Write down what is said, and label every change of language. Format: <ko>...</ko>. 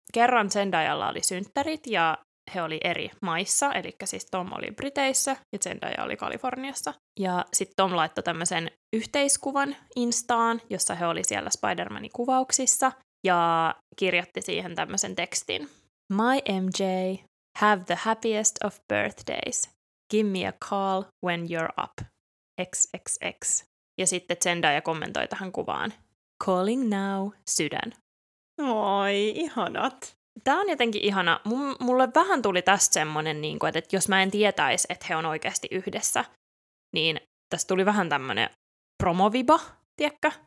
<fi>Kerran Zendayalla oli synttärit ja he oli eri maissa, eli siis Tom oli Briteissä ja Zendaya oli Kaliforniassa. Ja sitten Tom laittoi tämmöisen yhteiskuvan Instaan, jossa he oli siellä Spider-Manin kuvauksissa ja kirjoitti siihen tämmöisen tekstin.</fi> <en>My MJ, have the happiest of birthdays. Give me a call when you're up. XXX.</en> <fi>Ja sitten Zendaya kommentoi tähän kuvaan.</fi> <en>Calling now, sydän.</en> <fi>Oi, ihanat. Tämä on jotenkin ihana. Mulle vähän tuli tästä semmoinen, niin kuin, että jos mä en tietäisi, että he on oikeasti yhdessä, niin tässä tuli vähän tämmöinen promoviba, tiedätkö?</fi>